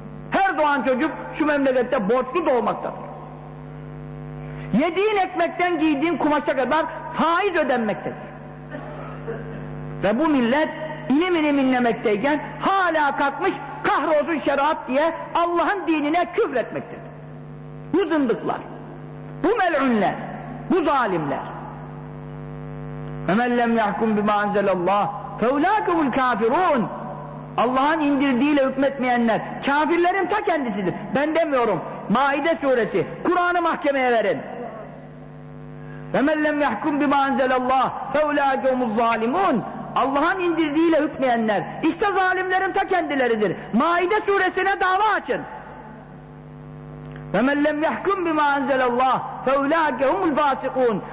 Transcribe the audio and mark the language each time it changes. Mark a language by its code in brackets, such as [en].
[tr] Her doğan çocuk şu memlekette borçlu doğmaktadır. Yediğin ekmekten giydiğin kumaşa kadar faiz ödenmektedir. Ve bu millet inim inim inlemekteyken hala kalkmış kahrolsun şeriat diye Allah'ın dinine küfretmektedir. Bu zındıklar, bu mel'unler, bu zalimler. [ar] وَمَنْ لَمْ يَحْكُمْ بِمَا أَنْزَلَ اللّٰهِ فَاُولَٰئِكَ الْكَافِرُونَ [tr] Allah'ın indirdiğiyle hükmetmeyenler kafirlerin ta kendisidir. Ben demiyorum. Maide suresi. Kur'an'ı mahkemeye verin. [ar] Ve men lem yahkum bima anzalallah fe ulaike humuz zalimun. [tr] Allah'ın indirdiğiyle hükmeyenler işte zalimlerin ta kendileridir. Maide suresine dava açın. [ar] Ve men lem yahkum bima anzalallah fe ulaike humul fasikun.